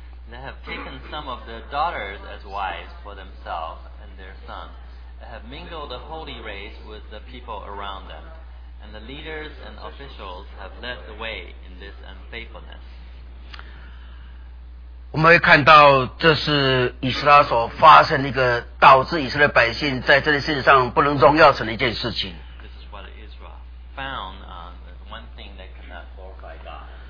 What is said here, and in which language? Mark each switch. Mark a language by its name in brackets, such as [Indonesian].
[English] They have taken some of their daughters as wives for themselves and their sons. They have mingled the holy race with the people around them. And the leaders and officials have led the way in this unfaithfulness. [Chinese] 我们会看到这是以斯拉所发生一个导致以色列百姓在这件事情上不能荣耀神的一件事情。 [English] This is what Israel found, one thing that cannot glorify God.